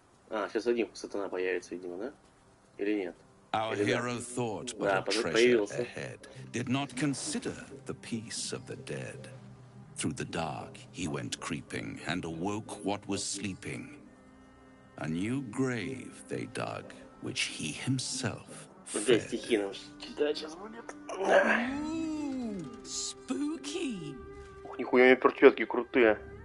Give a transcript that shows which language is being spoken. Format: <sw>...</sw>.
<ru>А, сейчас один сатана появится, видимо, да? Или нет?</ru> <en>Our hero thought, but</en> <ru>да,</ru> <en>a treasure ahead. Did not consider the peace of the dead. Through the dark he went creeping and awoke what was sleeping. A new grave they dug, which he himself fed.</en> <ru>Вот стихи нам читать сейчас. Ух, нихуя, у меня перчатки крутые.</ru>